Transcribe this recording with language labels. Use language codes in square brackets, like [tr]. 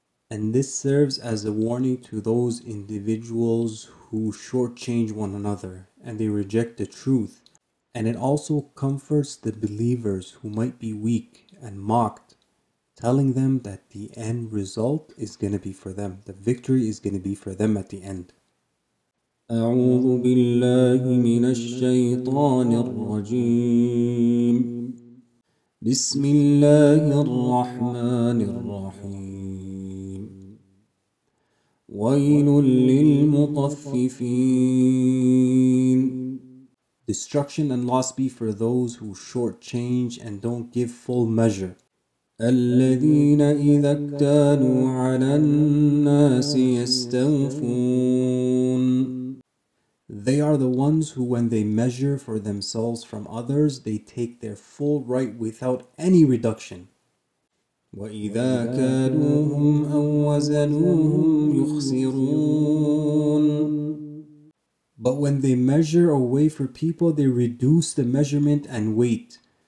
[en] And this serves as a warning to those individuals who shortchange one another and they reject the truth. And it also comforts the believers who might be weak and mocked, telling them that the end result is going to be for them. The victory is going to be for them at the end. [ar] أعوذ بالله من الشيطان الرجيم بسم الله الرحمن الرحيم ويل للمطففين. [en] Destruction and loss be for those who shortchange and don't give full measure. [ar] الذين إذا اكتالوا على الناس يستوفون. [en] They are the ones who, when they measure for themselves from others, they take their full right without any reduction. [ar] وَإِذَا كَالُوهُمْ أَوْ وَزَنُوهُمْ يُخْسِرُونَ. [en] But when they measure or weigh for people, they reduce the measurement and weight.